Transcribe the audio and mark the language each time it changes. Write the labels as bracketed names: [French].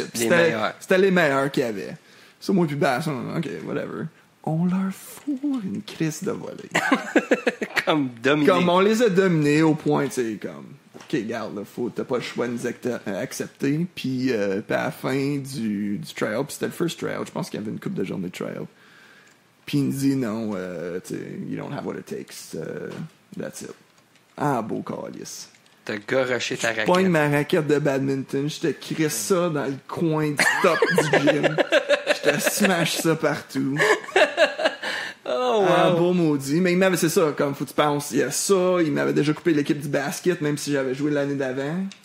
[French] C'était les meilleurs qu'il y avait. So, moi et puis Bass, OK, whatever. On leur fout une crise de volée. Comme dominés. Comme on les a dominés au point, tu sais, comme, OK, garde, là, faut, t'as pas le choix de nous accepter. Puis, à la fin du trial, puis c'était le first trial, je pense qu'il y avait une couple de journées de trial. Puis il nous dit, non, tu sais, [English] you don't have what it takes. That's it. [French] Ah, beau calice. T'as garoché ta raquette. Pogne ma raquette de badminton, je te crisse ça dans le coin du top du gym. Je te smash ça partout. Oh, wow. Un beau maudit. Mais il m'avait, c'est ça, comme faut que tu penses, il y a ça. Il m'avait déjà coupé l'équipe du basket, même si j'avais joué l'année d'avant.